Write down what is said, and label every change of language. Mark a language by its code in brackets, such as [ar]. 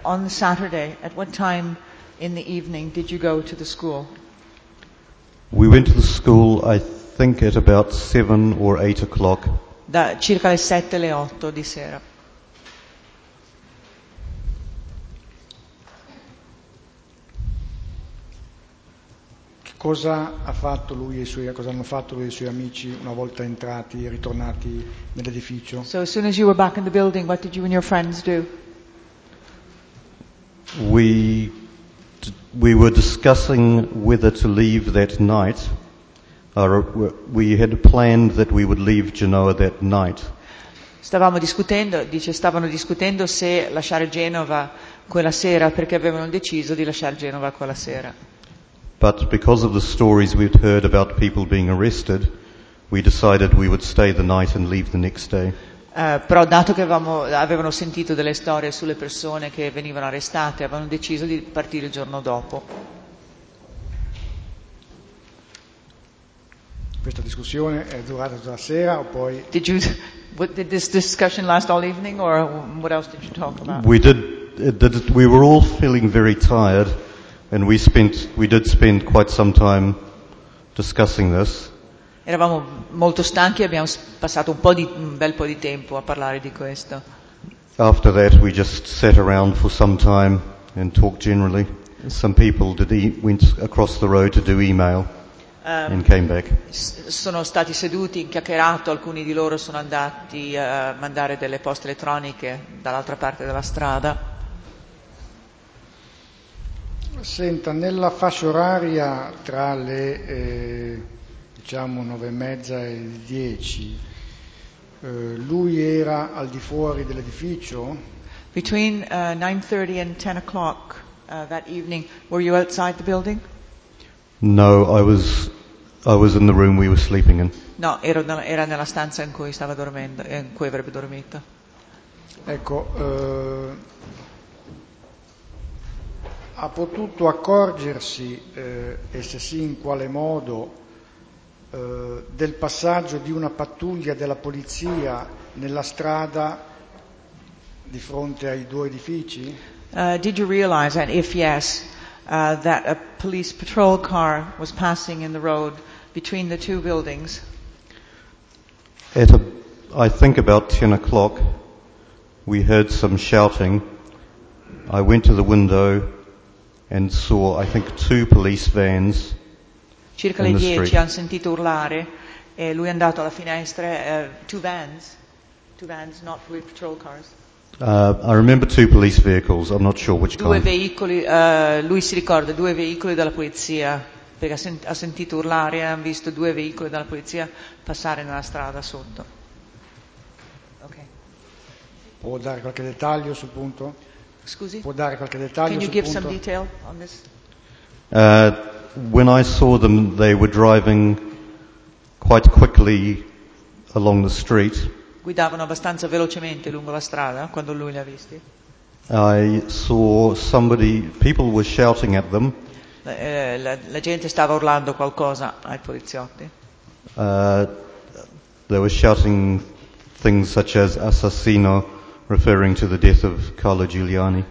[en] On Saturday, at what time in the evening did you go to the school? We went to the school I think at about 7 or 8 o'clock. [it] Da circa le 7 le 8 di sera. Che cosa ha fatto lui e i suoi, cosa hanno fatto lui e i suoi amici una volta entrati e ritornati nell'edificio? [en] So as soon as you were back in the building, what did you and your friends do? We were discussing whether to leave that night. We had planned that we would leave Genoa that night. [it] Stavano discutendo se lasciare Genova quella sera, perché avevano deciso di lasciare Genova quella sera. [en] But because of the stories we'd heard about people being arrested, we decided we would stay the night and leave the next day. [it] Però dato che avevano sentito delle storie sulle persone che venivano arrestate, avevano deciso di partire il giorno dopo. Questa discussione è durata tutta la sera o poi? [en] Did this discussion last all evening or what else did you talk about? We were all feeling very tired and we did spend quite some time discussing this. [it] Eravamo molto stanchi e abbiamo passato un bel po' di tempo a parlare di questo. [en] After that we just sat around for some time and talked generally. Some people went across the road to do email and came back. [it] Sono stati seduti, chiacchierato, alcuni di loro sono andati a mandare delle poste elettroniche dall'altra parte della strada. Senta, nella fascia oraria tra le diciamo 9:30 e 10, lui era al di fuori dell'edificio? [en] Between 9:30 and 10 o'clock that evening, were you outside the building? No, I was in the room we were sleeping in. [it] No, era nella stanza in cui stava dormendo, in cui avrebbe dormito. Ecco, ha potuto accorgersi, e se sì in quale modo, del passaggio di una pattuglia della polizia nella strada di fronte ai due edifici? [en] Did you realize, and if yes, that a police patrol car was passing in the road between the two buildings? I think about 10 o'clock, we heard some shouting. I went to the window and saw, I think, two police vans. [it] Circa le 10 hanno sentito urlare e lui è andato alla finestra. [en] Two vans, not with patrol cars. I remember two police vehicles. I'm not sure which [it] kind. Due veicoli. Lui si ricorda due veicoli della polizia, perché ha sentito urlare e ha visto due veicoli della polizia passare nella strada sotto. Okay. Può dare qualche dettaglio sul punto? Scusi. Può dare qualche dettaglio sul punto? [en] Can you give some detail on this? When I saw them, they were driving quite quickly along the street. [it] Guidavano abbastanza velocemente lungo la strada quando lui li ha visti. [en] I saw somebody, people were shouting at them. [it] La gente stava urlando qualcosa ai poliziotti. [en] They were shouting things such as assassino, referring to the death of Carlo Giuliani.